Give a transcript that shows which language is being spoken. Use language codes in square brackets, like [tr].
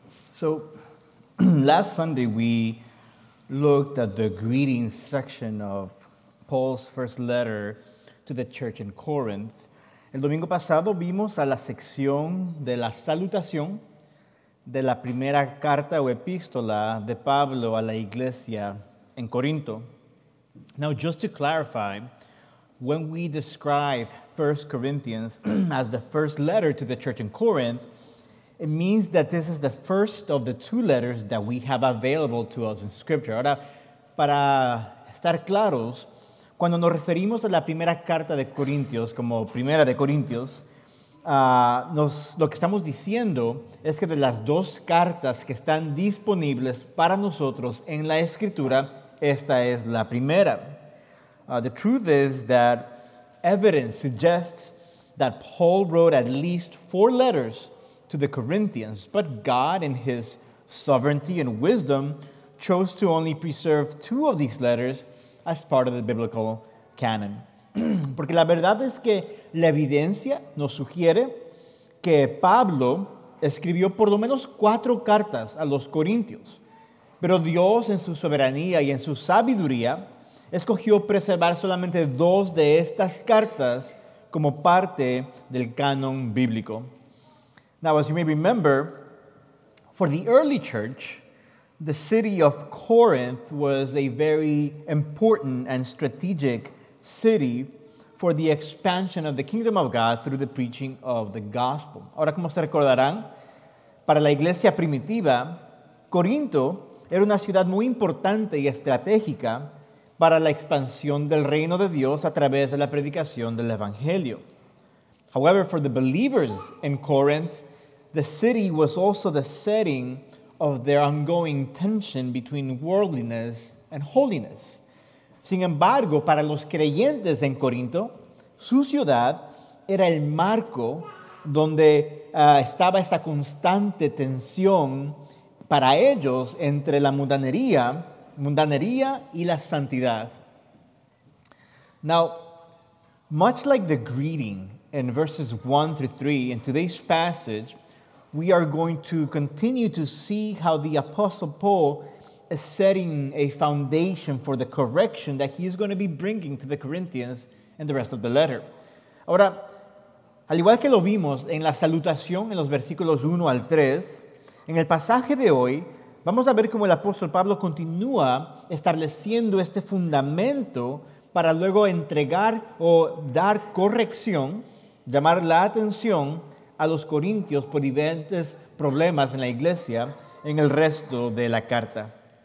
[en] So last Sunday, we looked at the greeting section of Paul's first letter to the church in Corinth. [es] El domingo pasado vimos a la sección de la salutación de la primera carta o epístola de Pablo a la iglesia en Corinto. [en] Now, just to clarify, when we describe 1 Corinthians as the first letter to the church in Corinth, it means that this is the first of the two letters that we have available to us in Scripture. [es] Ahora, para estar claros, cuando nos referimos a la primera carta de Corintios, como primera de Corintios, lo que estamos diciendo es que de las dos cartas que están disponibles para nosotros en la Escritura, esta es la primera. [en] The truth is that evidence suggests that Paul wrote at least four letters to the Corinthians, but God in his sovereignty and wisdom chose to only preserve two of these letters as part of the biblical canon. [es] Porque la verdad es que la evidencia nos sugiere que Pablo escribió por lo menos cuatro cartas a los Corintios, pero Dios en su soberanía y en su sabiduría escogió preservar solamente dos de estas cartas como parte del canon bíblico. [en] Now, as you may remember, for the early church, the city of Corinth was a very important and strategic city for the expansion of the kingdom of God through the preaching of the gospel. [es] Ahora, como se recordarán, para la iglesia primitiva, Corinto era una ciudad muy importante y estratégica para la expansión del reino de Dios a través de la predicación del evangelio. [en] However, for the believers in Corinth, the city was also the setting of their ongoing tension between worldliness and holiness. [es] Sin embargo, para los creyentes en Corinto, su ciudad era el marco donde estaba esta constante tensión para ellos entre la mundanería y la santidad. [en] Now, much like the greeting in verses 1 through 3 in today's passage, we are going to continue to see how the Apostle Paul is setting a foundation for the correction that he is going to be bringing to the Corinthians and the rest of the letter. [es] Ahora, al igual que lo vimos en la salutación en los versículos 1 al 3, en el pasaje de hoy vamos a ver cómo el apóstol Pablo continúa estableciendo este fundamento para luego entregar o dar corrección, llamar la atención a los corintios por diferentes problemas en la iglesia en el resto de la carta.